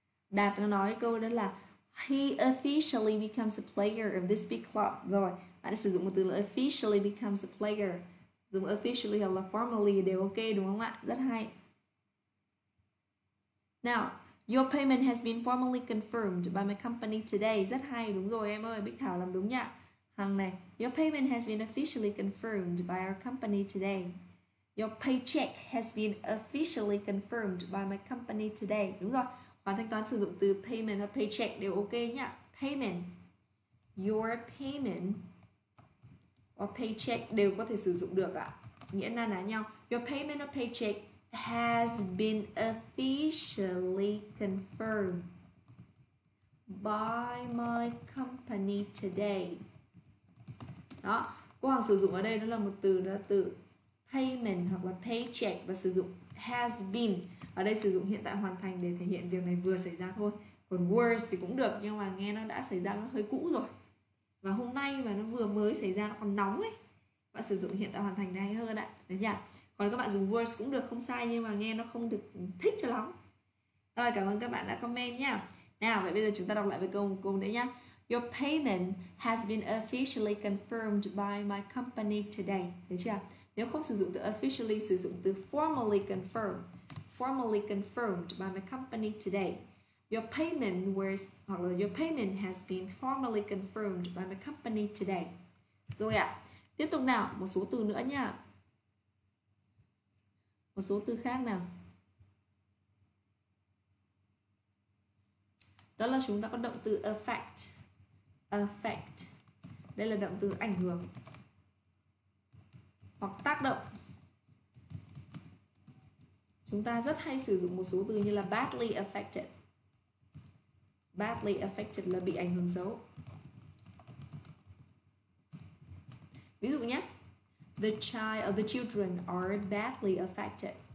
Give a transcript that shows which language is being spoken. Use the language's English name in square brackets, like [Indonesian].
[Vietnamese] Đạt nói câu đó là [English] He officially becomes a player of this big club. [Vietnamese] Rồi, bạn sử dụng một từ là [English] officially becomes a player. [Vietnamese] Dùng officially hoặc là formally đều ok đúng không ạ? Rất hay. [English] Now, your payment has been formally confirmed by my company today. [Vietnamese] Rất hay, đúng rồi em ơi, Bích Thảo làm đúng nhá. [English] Hằng này, your payment has been officially confirmed by our company today. Your paycheck has been officially confirmed by my company today. [Vietnamese] Đúng rồi, khoản thanh toán sử dụng từ payment và paycheck đều ok nhá. Payment, [English] your payment or paycheck [Vietnamese] đều có thể sử dụng được ạ. Nghĩa na ná nhau. [English] Your payment or paycheck has been officially confirmed by my company today. [Vietnamese] Đó, cô Hằng sử dụng ở đây đó là một từ, đó từ payment hoặc là paycheck, và sử dụng has been. Ở đây sử dụng hiện tại hoàn thành để thể hiện việc này vừa xảy ra thôi. Còn was thì cũng được, nhưng mà nghe nó đã xảy ra nó hơi cũ rồi. Và hôm nay mà nó vừa mới xảy ra nó còn nóng ấy. Và sử dụng hiện tại hoàn thành hay hơn ạ. Đấy nhỉ? Còn các bạn dùng was cũng được không sai, nhưng mà nghe nó không được thích cho lắm. Rồi, cảm ơn các bạn đã comment nhá. Nào, vậy bây giờ chúng ta đọc lại với câu đấy nhá. [English] Your payment has been officially confirmed by my company today. [Vietnamese] Được chưa? Nếu không sử dụng từ officially, sử dụng từ formally confirmed. [English] Formally confirmed by my company today. Your payment was, [Vietnamese] hoặc là [English] your payment has been formally confirmed by my company today. [Vietnamese] Rồi ạ. Tiếp tục nào, một số từ nữa nha. Một số từ khác nào. Đó là chúng ta có động từ affect. Affect, đây là động từ ảnh hưởng hoặc tác động. Chúng ta rất hay sử dụng một số từ như là badly affected. Badly affected là bị ảnh hưởng xấu. Ví dụ nhé, [English] the children are badly affected.